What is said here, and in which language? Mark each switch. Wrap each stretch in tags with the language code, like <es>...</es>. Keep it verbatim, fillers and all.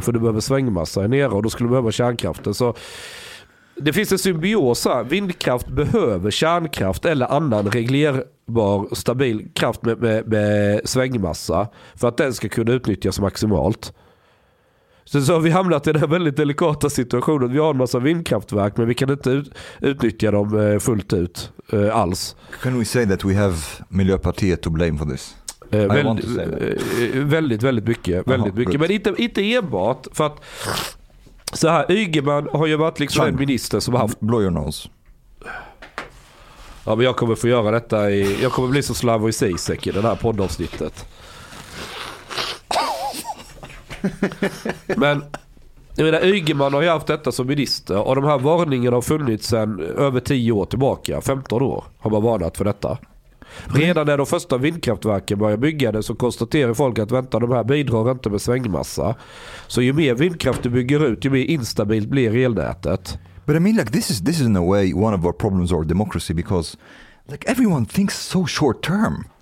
<sv>För du behöver svängmassa i nere och då skulle du behöva kärnkraften. Så det finns en symbios här. Vindkraft behöver kärnkraft eller annan regler var stabil kraft med, med, med svängmassa för att den ska kunna utnyttjas maximalt. Så, så har vi hamnat i den här väldigt delikata situationen. Vi har en massa vindkraftverk men vi kan inte ut, utnyttja dem fullt ut eh, alls.</sv> <en>Can we say that we have Miljöpartiet to blame for this?</en> <sv>Eh, väldigt, eh, väldigt, väldigt mycket. Väldigt Aha, mycket. Good. Men inte, inte enbart för att så här, Ygeman har ju varit liksom Chang. En minister som har haft...</sv> <en>Blow your nose.</en> <sv>Ja, men jag kommer få göra detta i... Jag kommer bli så Slavoj Zizek i det här poddavsnittet. Men... Jag menar, Ygeman har ju haft detta som minister, och de här varningarna har funnits sedan över tio år tillbaka. femton år har man varnat för detta. Redan när de första vindkraftverken började bygga så konstaterar folk att vänta, de här bidrar inte med svängmassa. Så ju mer vindkraft du bygger ut, ju mer instabilt blir elnätet.</sv> <en>But I mean, like, this is this is in a way one of our problems or democracy, because like everyone thinks so short term.</en>